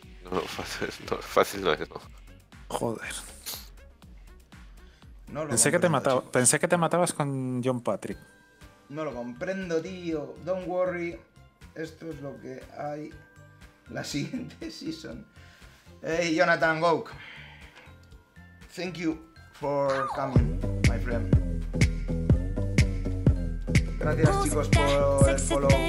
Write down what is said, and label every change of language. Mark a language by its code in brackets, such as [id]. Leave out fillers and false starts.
[es] No, fácil no es, ¿no? Joder. No lo pensé, que te mataba, pensé que te matabas con John Patrick. No lo comprendo, tío. [en] Don't worry. [es] Esto es lo que hay la siguiente season. [en] Hey, Jonathan Gouk. Thank you for coming, my friend. [es] Gracias, chicos, por el follow.